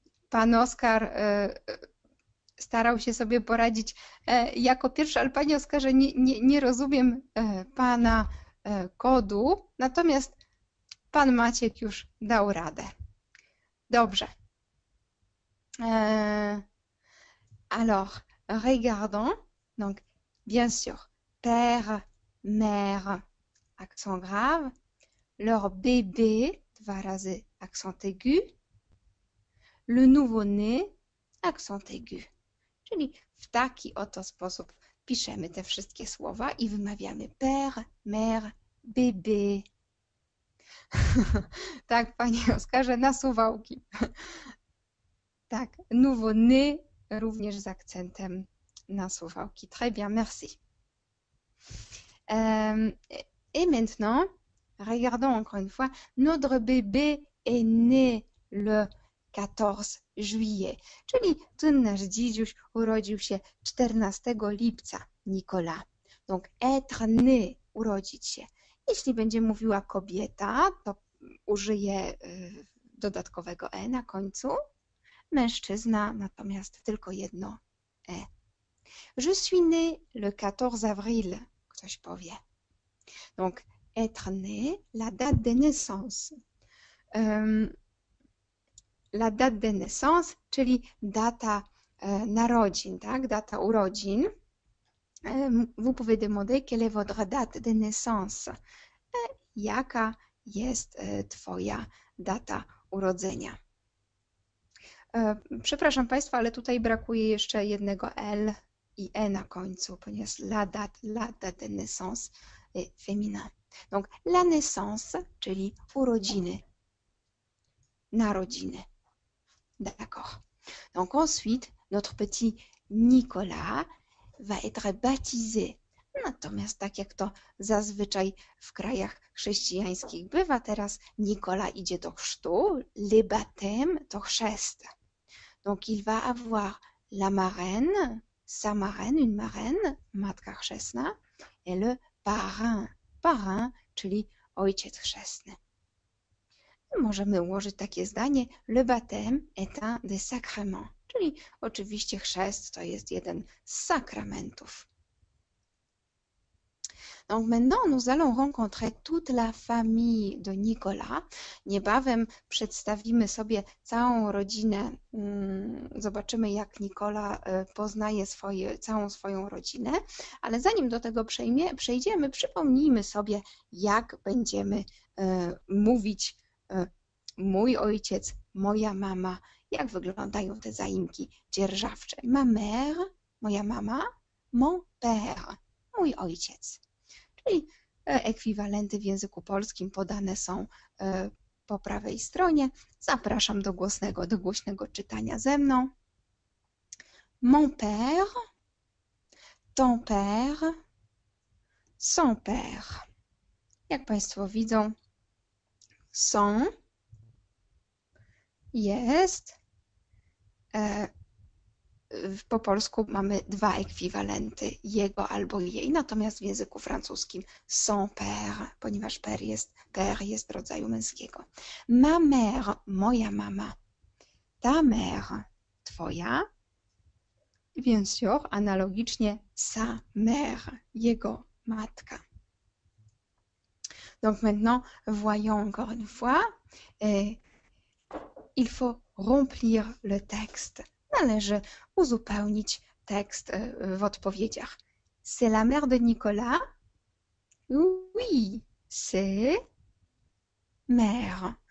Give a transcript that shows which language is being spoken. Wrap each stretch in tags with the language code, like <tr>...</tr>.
<pl>Pan Oskar starał się sobie poradzić jako pierwszy, ale Panie Oskarze, nie rozumiem Pana kodu, natomiast Pan Maciek już dał radę. Dobrze.</pl> <fr>Alors, regardons, donc bien sûr, père, mère, accent grave, leur bébé, dwa razy, accent aigu, le nouveau-né, accent aigu.</fr> <pl>Czyli w taki oto sposób piszemy te wszystkie słowa i wymawiamy</pl> <fr>père, mère, bébé.</fr> <pl>Tak, panie Oskarze, na suwałki. Tak, nouveau-né również z akcentem na słuchawki.</pl> <fr>Très bien, merci. Et maintenant, regardons encore une fois, notre bébé est né le 14 juillet.</fr> <pl>Czyli ten nasz dzidziuś urodził się 14 lipca, Nicolas.</pl> <fr>Donc, être né,</fr> <pl>urodzić się. Jeśli będzie mówiła kobieta, to użyje dodatkowego e na końcu. Mężczyzna, natomiast tylko jedno e.</pl> <fr>Je suis né le 14 avril,</fr> <pl>ktoś powie.</pl> <fr>Donc, être né, la date de naissance. La date de naissance,</fr> <pl>czyli data narodzin, tak? Data urodzin.</pl> <fr>Vous pouvez demander quelle est votre date de naissance?</fr> <pl>Jaka jest twoja data urodzenia? Przepraszam Państwa, ale tutaj brakuje jeszcze jednego L i E na końcu, ponieważ</pl> <fr>la date de naissance est féminin. Donc, la naissance,</fr> <pl>czyli urodziny. Narodziny. D'accord.</pl> <fr>Donc, ensuite, notre petit Nicolas va être baptisé.</fr> <pl>Natomiast, tak jak to zazwyczaj w krajach chrześcijańskich bywa, teraz Nicolas idzie do chrztu.</pl> <fr>Le baptême</fr> <pl>to chrzest.</pl> <fr>Donc, il va avoir la marraine, sa marraine, une marraine,</fr> <pl>matka chrzestna,</pl> <fr>et le parrain, parrain,</fr> <pl>czyli ojciec chrzestny. Możemy ułożyć takie zdanie:</pl> <fr>Le baptême est un des sacrements.</fr> <pl>Czyli oczywiście chrzest to jest jeden z sakramentów.</pl> <fr>Donc maintenant, nous allons rencontrer toute la famille de Nicolas.</fr> <pl>Niebawem przedstawimy sobie całą rodzinę. Zobaczymy, jak Nicolas poznaje całą swoją rodzinę. Ale zanim do tego przejdziemy, przypomnijmy sobie, jak będziemy mówić mój ojciec, moja mama. Jak wyglądają te zaimki dzierżawcze?</pl> <fr>Ma mère,</fr> <pl>moja mama,</pl> <fr>mon père,</fr> <pl>mój ojciec. Czyli ekwiwalenty w języku polskim podane są po prawej stronie. Zapraszam do głośnego czytania ze mną.</pl> <fr>Mon père, ton père, son père.</fr> <pl>Jak Państwo widzą, son jest. Po polsku mamy dwa ekwiwalenty, jego albo jej, natomiast w języku francuskim</pl> <fr>son père,</fr> <pl>ponieważ père jest rodzaju męskiego.</pl> <fr>Ma mère,</fr> <pl>moja mama.</pl> <fr>Ta mère, twoja. Bien sûr, analogicznie sa mère,</fr> <pl>jego matka.</pl> <fr>Donc maintenant, voyons encore une fois. Il faut remplir le texte.</fr> <pl>Należy uzupełnić tekst w odpowiedziach.</pl> <fr>C'est la mère de Nicolas? Oui, c'est mère.</fr>